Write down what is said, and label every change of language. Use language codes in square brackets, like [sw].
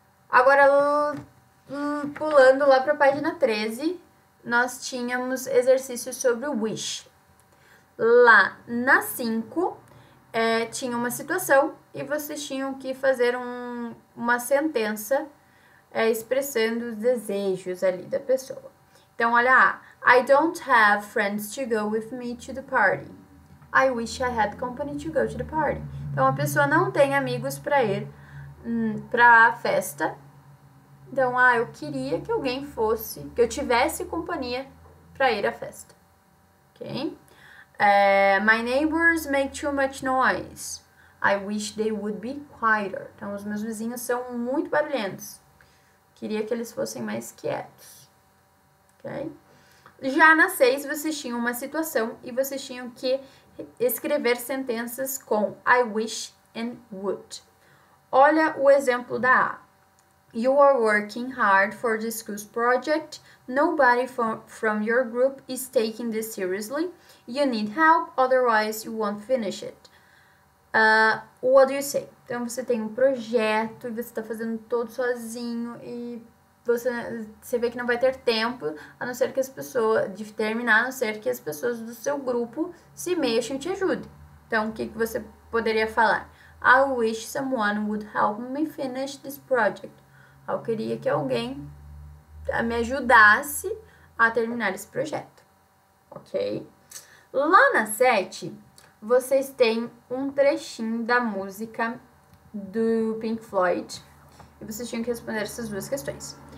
[pt] Agora, pulando lá para a página 13, nós tínhamos exercício sobre o wish. Lá na 5, tinha uma situação e vocês tinham que fazer uma sentença expressando os desejos ali da pessoa. Então, olha a. [en] I don't have friends to go with me to the party. I wish I had company to go to the party. [pt] Então, a pessoa não tem amigos para ir para a festa. Então, eu queria que alguém fosse, que eu tivesse companhia para ir à festa. [en] Ok? My neighbors make too much noise. I wish they would be quieter. [pt] Então, os meus vizinhos são muito barulhentos. Queria que eles fossem mais quietos. Ok? Já na 6, vocês tinham uma situação e vocês tinham que escrever sentenças com I wish and would. Olha o exemplo da A. [en] You are working hard for this school's project. Nobody from your group is taking this seriously. You need help, otherwise you won't finish it. What do you say? [pt] Então você tem um projeto e você está fazendo todo sozinho e você vê que não vai ter tempo a não ser que as pessoas de terminar, a não ser que as pessoas do seu grupo se mexam e te ajudem. Então, o que que você poderia falar? [en] I wish someone would help me finish this project. [pt] Eu queria que alguém me ajudasse a terminar esse projeto. Ok? Lá na 7, vocês têm um trechinho da música do Pink Floyd e vocês tinham que responder essas duas questões.